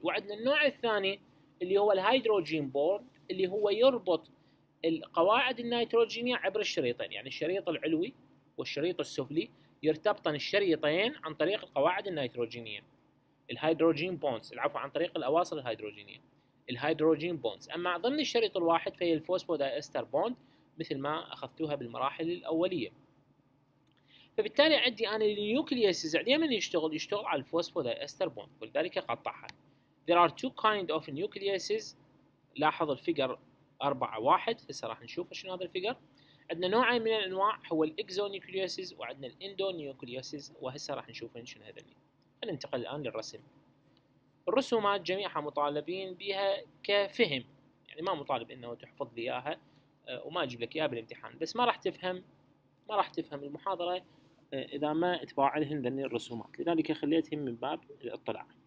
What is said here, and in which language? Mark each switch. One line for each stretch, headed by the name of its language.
Arabic: وعندنا النوع الثاني اللي هو الهيدروجين بوند، اللي هو يربط القواعد النيتروجينيه عبر الشريطين، يعني الشريط العلوي والشريط السفلي يرتبطن الشريطين عن طريق القواعد النيتروجينيه، الهيدروجين بوندز، العفو، عن طريق الاواصر الهيدروجينيه، الهيدروجين بوندز. اما ضمن الشريط الواحد فهي الفوسفودايستر بوند مثل ما اخذتوها بالمراحل الاوليه. فبالتالي عندي انا النيوكلييسز عندي من يشتغل؟ يشتغل على الفوسفودايستر بوند، ولذلك قطعها.
English: There are two kind of nucleases.
Arabic: لاحظ الفيجر 4.1، هسه راح نشوف شنو هذا الفيجر. عندنا نوعين من الانواع، هو الاكزونيوكلييسز وعندنا الاندونيوكلييسز، وهسه راح نشوف شنو هذني. ننتقل الان للرسم. الرسومات جميعها مطالبين بها كفهم، يعني ما مطالب انه تحفظ لي اياها وما اجيب لك اياها بالامتحان، بس ما راح تفهم المحاضره اذا ما اتباع لهم ذني الرسومات، لذلك خليتهم من باب الاطلاع.